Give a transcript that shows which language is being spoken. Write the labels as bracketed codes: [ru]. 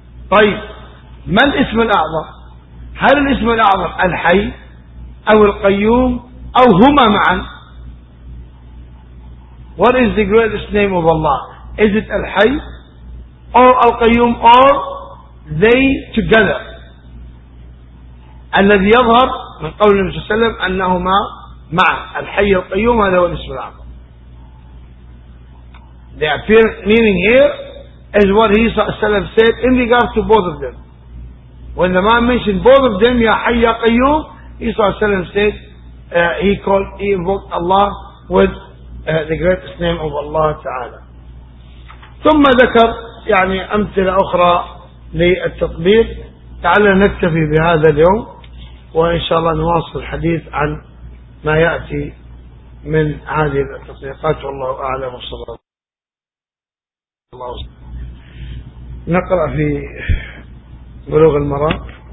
[ar] طيب ما الاسم الأعظم؟ هل الاسم الأعظم الحي أو القيوم أو هما معا؟ [en] What is the greatest name of Allah? Is it الحي or القيوم or they together؟ [ar] الذي يظهر من قول النبي صلى الله عليه وسلم أنهما مع الحي القيوم, هذا هو الاسم الأعظم. [en] The apparent meaning here is what he said in regard to both of them. When the man mentioned both of them, Ya Hayy Ya Qayyum, he said, he invoked Allah with the greatest name of Allah Ta'ala. [ar] ثم ذكر يعني أمثلة أخرى للتطبيق. تعالنا نكتفي بهذا اليوم وإن شاء الله نواصل الحديث عن ما يأتي من هذه التطبيقات, والله أعلم. وصلى الله نقرأ في بلوغ المرام.